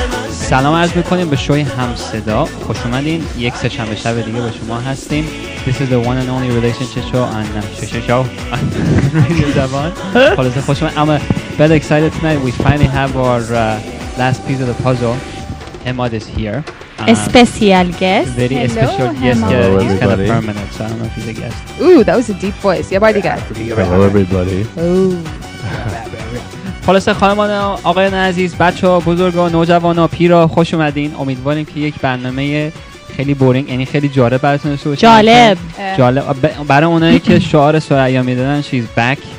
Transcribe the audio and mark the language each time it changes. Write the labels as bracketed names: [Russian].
[Persian] سلام عرض میکنیم به شوی همصدا، خوش اومدین. یک سه شنبه شب دیگه با شما هستیم. [English] This is the one and only relationship show and show radio Zaban. [Persian] خلاصه خوش اومدین. [English] I'm a bit excited tonight. We finally have our last piece of the puzzle. Emad is here. A special guest. Very Hello, special guest. Emma. Hello, everybody. He's kind of permanent, so I don't know if he's a guest. Ooh, that was a deep voice. Yeah, buddy guy. Hello, everybody. Ooh. [Persian] خلاصه خانمان و آقایان عزیز، بچه ها، بزرگ ها، نوجوان ها، پیر ها، خوش اومدین. امیدواریم که یک برنامه خیلی بورینگ، یعنی خیلی جالب براتون رسو باشه. جالب برای اونایی که شعار سرعی ها میدادن شیز بک.